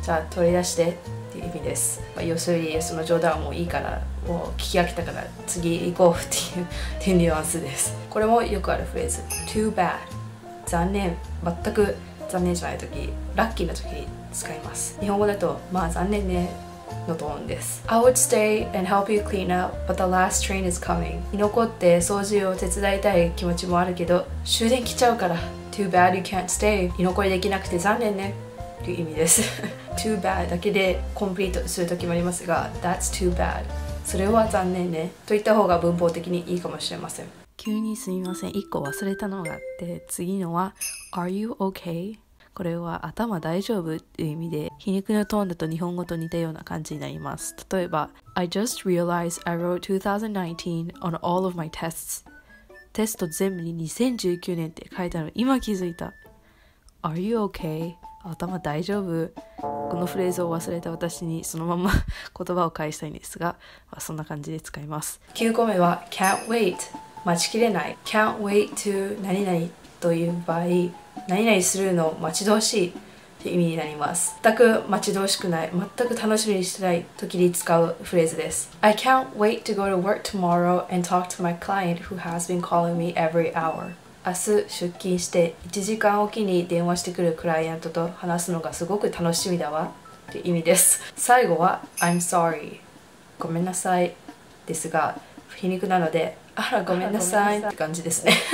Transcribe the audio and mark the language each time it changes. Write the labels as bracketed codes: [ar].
[ja] じゃあ取り出してっていう意味です。まあ、要するにその冗談はもういいから、もう聞き飽きたから次行こうっていうっていうニュアンスです。これもよくあるフレーズ。 [en] Too bad. [ja] 残念。全く残念じゃないとき、ラッキーなときに使います。日本語だと、まあ残念ね。のトーンです。 [en] I would stay and help you clean up, but the last train is coming. [ja] 居残って掃除を手伝いたい気持ちもあるけど終電来ちゃうから。 [en] Too bad you can't stay. [ja] 居残りできなくて残念ねという意味です。 [en] Too bad [ja] だけでコンプリートする時もありますが、 [en] That's too bad. [ja] それは残念ねと言った方が文法的にいいかもしれません。急にすみません、1個忘れたのがあって、次のは [en] Are you okay? [ja] これは頭大丈夫っていう意味で、皮肉のトーンだと日本語と似たような感じになります。 [en] 例えば I just realized I wrote 2019 on all of my tests. [ja] テスト全部に2019年って書いたの今気づいた。 [en] Are you okay? [ja] 頭大丈夫。このフレーズを忘れた私にそのまま言葉を返したいんですが、まあ、そんな感じで使います。 9個目は [en] Can't wait、 [ja] 待ちきれない。 [en] Can't wait to [ja] 何々という場合、何々するの待ち遠しいって意味になります。全く待ち遠しくない、全く楽しみにしてない時に使うフレーズです。 [en] I can't wait to go to work tomorrow and talk to my client who has been calling me every hour. [ja] 明日出勤して1時間おきに電話してくるクライアントと話すのがすごく楽しみだわって意味です。最後は [en] I'm sorry、 [ja] ごめんなさいですが、皮肉なのであらごめんなさいって感じですね。